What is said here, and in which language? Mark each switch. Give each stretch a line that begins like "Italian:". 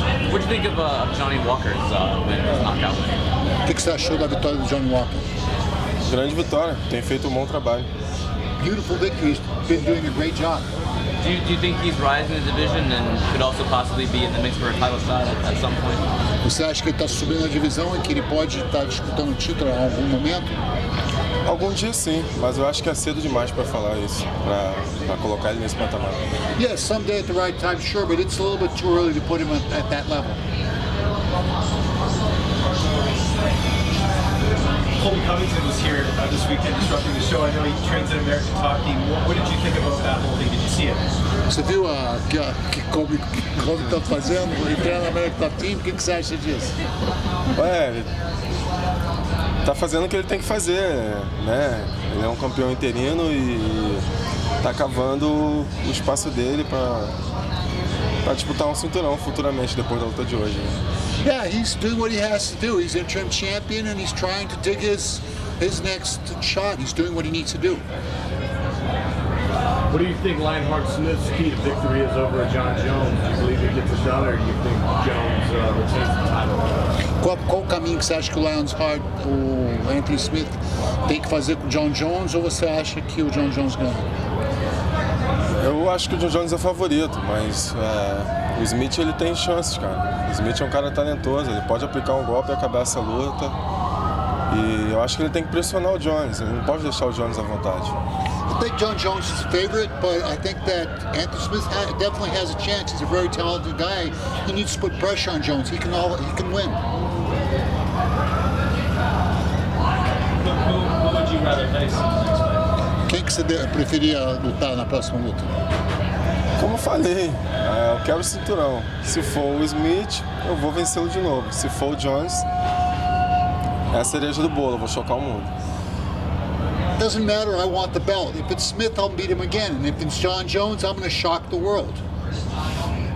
English: What do you think of Johnny Walker's knockout?
Portuguese: O que você achou da vitória do Johnny Walker? Grande vitória, tem feito um bom trabalho.
English: Beautiful victory, he's been doing a great job. Do you think he's rising in the division and could also possibly be in the mix for a title shot at some point?
Portuguese: Você acha que ele está subindo na divisão e que ele pode estar disputando o título em algum momento? Algum dia sim, mas eu acho que é cedo demais para falar isso, para colocar ele nesse patamar.
English: Yes, someday at the right time, sure, but it's a little bit too early to put him at that level. Colby Covington was here this weekend disrupting the show. I know he trains at American Top Team. What did you think about that whole thing? Did you see it?
Portuguese: Você viu o que o Colby está fazendo? Ele treina na American Top Team. O que você acha disso? Tá fazendo o que ele tem que fazer, né? Ele é um campeão interino e tá cavando o espaço dele para disputar um cinturão futuramente depois da luta de hoje.
English: Yeah, he's doing what he has to do. He's interim champion and he's trying to dig his next shot. He's doing what he needs to do. What do you think Lionheart Smith's key to victory is over John Jones? Do you believe he gets it done, or do you think Jones retains the title?
Portuguese: Qual o caminho que você acha que o Lionheart, o Anthony Smith, tem que fazer com o John Jones, ou você acha que o John Jones ganha? Eu acho que o John Jones é favorito, mas o Smith, ele tem chances, cara. O Smith é um cara talentoso, ele pode aplicar um golpe e acabar essa luta. E eu acho que ele tem que pressionar o Jones, ele não pode deixar o Jones à vontade.
English: I think John Jones is a favorite, but I think that Anthony Smith definitely has a chance. He's a very talented guy. He needs to put pressure on Jones. He can win. Who would you rather face?
Portuguese: Quem que você preferia lutar na próxima luta? Como eu falei, eu quero o cinturão. Se for o Smith, eu vou vencê-lo de novo. Se for o Jones, é a cereja do bolo. Eu vou chocar o mundo.
English: Doesn't matter, I want the belt. If it's Smith, I'll beat him again. And if it's John Jones, I'm going to shock the world.